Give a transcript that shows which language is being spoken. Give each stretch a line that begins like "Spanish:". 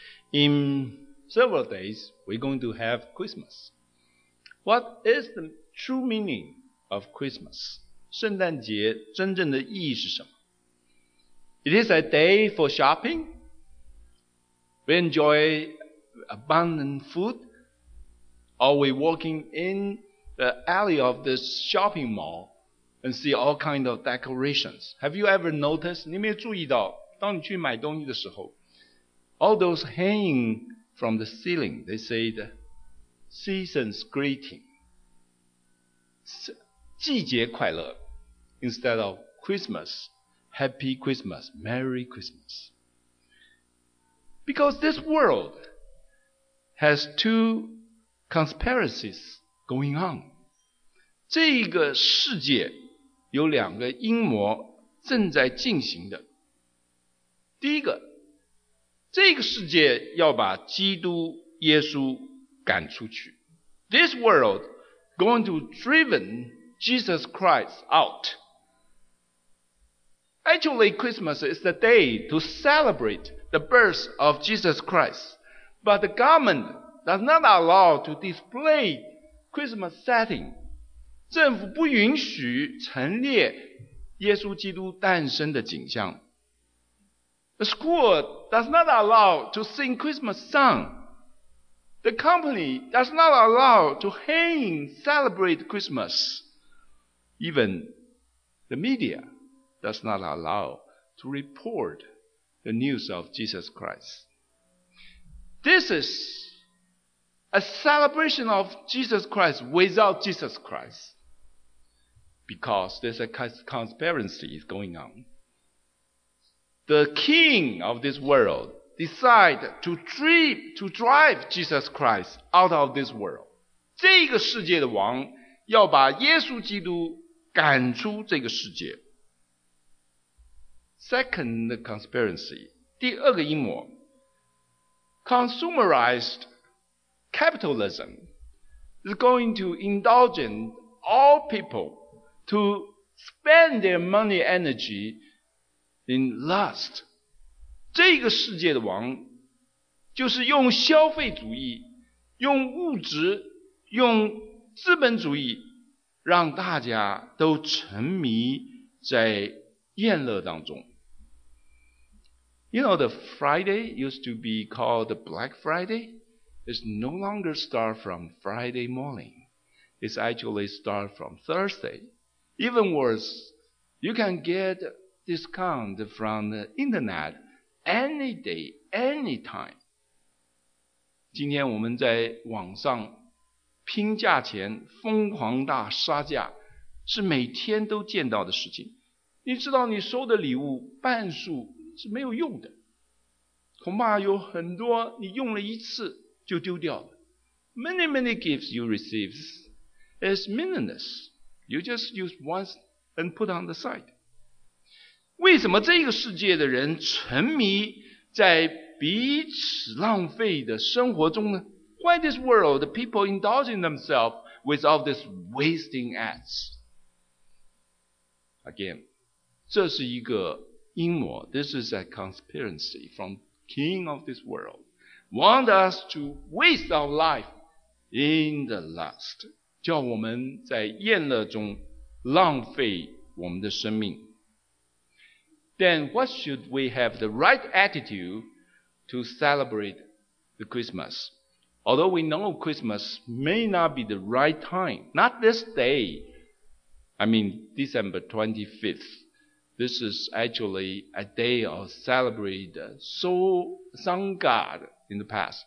English: In several days we're going to have Christmas. What is the true meaning of Christmas?
Chinese: 圣诞节真正的意义是什么？
English: It is a day for shoppingWe enjoy abundant food? Are we walking in the alley of this shopping mall and see all kinds of decorations? Have you ever noticed?
Chinese: 你有没有注意到当你去买东西的时候
English: all those hanging from the ceiling, they say the season's greeting.
Chinese: 季节快乐
English: instead of Christmas, Happy Christmas, Merry Christmas. Because this world has two conspiracies going on.
Chinese: 这个世界有两个阴谋正在进行的。第一个，这个世界要把基督耶稣赶出去。
English: This world going to driven Jesus Christ out. Actually, Christmas is the day to celebrate. The birth of Jesus Christ. But the government does not allow to display Christmas setting.
Chinese: 政府不允许陈列耶稣基督诞生的景象。
English: The school does not allow to sing Christmas song. The company does not allow to hang celebrate Christmas. Even the media does not allow to reportThe news of Jesus Christ. This is a celebration of Jesus Christ without Jesus Christ. Because there's a conspiracy going on. The king of this world decided to drive Jesus Christ out of this world.
Chinese: 这个世界的王要把耶稣基督赶出这个世界。
English: Second conspiracy,
Chinese: 第二个阴谋
English: consumerized capitalism is going to indulge in all people to spend their money energy in lust.
Chinese: 这个世界的王就是用消费主义，用物质，用资本主义，让大家都沉迷在宴乐当中。
English: You know, the Friday used to be called the Black Friday. It's no longer start from Friday morning. It's actually start from Thursday. Even worse, you can get discount from the internet any day, any time.
Chinese: 今天我们在网上拼价钱疯狂大杀价是每天都见到的事情。你知道你收的礼物半数是没有用的，恐怕有很多你用了一次就丢掉了。
English: Many, many gifts you receive is meaningless. You just use once and put on the side.
Chinese: 为什么这个世界的人沉迷在彼此浪费的生活中呢？
English: Why this world, the people indulging themselves with all these wasting acts? Again,
Chinese: 这是一个
English: This is a conspiracy from king of this world. Want us to waste our life in the lust.
Chinese: 叫我们在宴乐中浪费我们的生命。
English: Then what should we have the right attitude to celebrate the Christmas? Although we know Christmas may not be the right time, not this day, I mean December 25th, This is actually a day of celebrate sun god in the past.